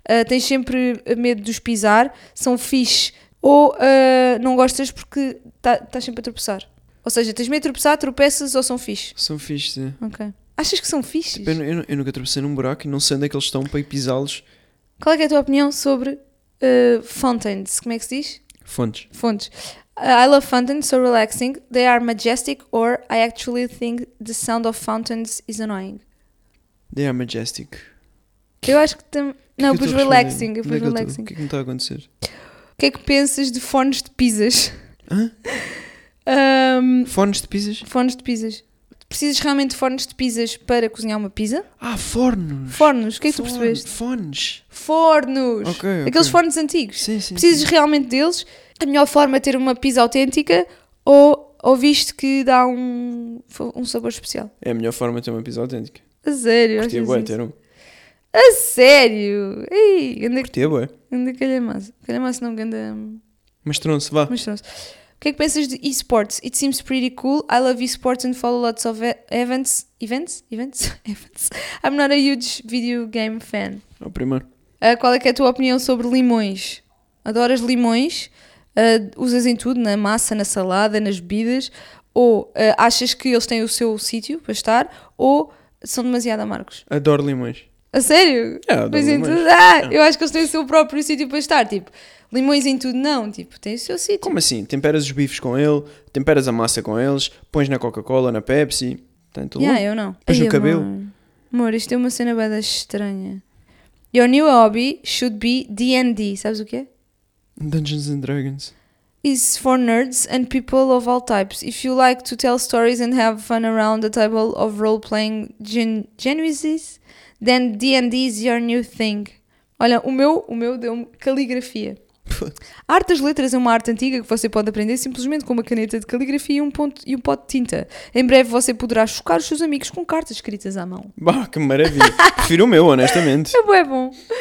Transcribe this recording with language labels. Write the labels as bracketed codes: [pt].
[pt] Tens sempre medo de os pisar? São fixe? Ou não gostas porque estás sempre a tropeçar? Ou seja, tens medo de tropeçar, tropeças ou são fixe? São fixe, sim. Ok. Achas que são fixe? Tipo, eu nunca tropecei num buraco e não sei onde é que eles estão para ir pisá-los. Qual é a tua opinião sobre fountains? Como é que se diz? Fontes. Fontes. [en] I love fountains, so relaxing. They are majestic, or I actually think the sound of fountains is annoying. They are majestic. [pt] Eu acho que tem... Não, pois relaxing. Eu pus relaxing. O que é que me está a acontecer? O que é que pensas de fones de pisas? Hã? Fones de pisas? Fones de pisas. Precisas realmente de fones de pisas para cozinhar uma pizza? Ah, fornos! Fornos, o que é que tu percebeste? Fones! Fornos! Okay. Aqueles fornos antigos? Sim, sim. Precisas realmente deles? A melhor forma é ter uma pizza autêntica ou viste que dá um sabor especial? É a melhor forma de ter uma pizza autêntica. A sério? Curtia boa ter um. A sério? Ei, anda, curtia boa. Ainda calhamaço. Calhamaço não, anda... Mastrou-se, vá. Mastrou-se. O que é que pensas de eSports? [en] It seems pretty cool. I love eSports and follow lots of events. Events? Events? Events. I'm not a huge video game fan. [pt] O primeiro. Qual é que é a tua opinião sobre limões? Adoras limões? Usas em tudo, na massa, na salada, nas bebidas? Ou achas que eles têm o seu sítio para estar? Ou são demasiado amargos? Adoro limões. A sério? É, adoro limões. Tudo, eu acho que eles têm o seu próprio sítio para estar, tipo... Limões em tudo, não, tipo, tem o seu sítio. Como assim? Temperas os bifes com ele, temperas a massa com eles, pões na Coca-Cola, na Pepsi, tem tudo. Yeah, eu não. Pões no cabelo. Amor, isto é uma cena bem estranha. [en] Your new hobby should be D&D, [pt] sabes o que é? [en] Dungeons and Dragons. It's for nerds and people of all types. If you like to tell stories and have fun around the table of role-playing genuises, then D&D is your new thing. [pt] Olha, o meu deu-me caligrafia. A arte das letras é uma arte antiga que você pode aprender simplesmente com uma caneta de caligrafia e um pote de tinta. Em breve você poderá chocar os seus amigos com cartas escritas à mão. Bah, que maravilha. Prefiro o meu, honestamente. É bom.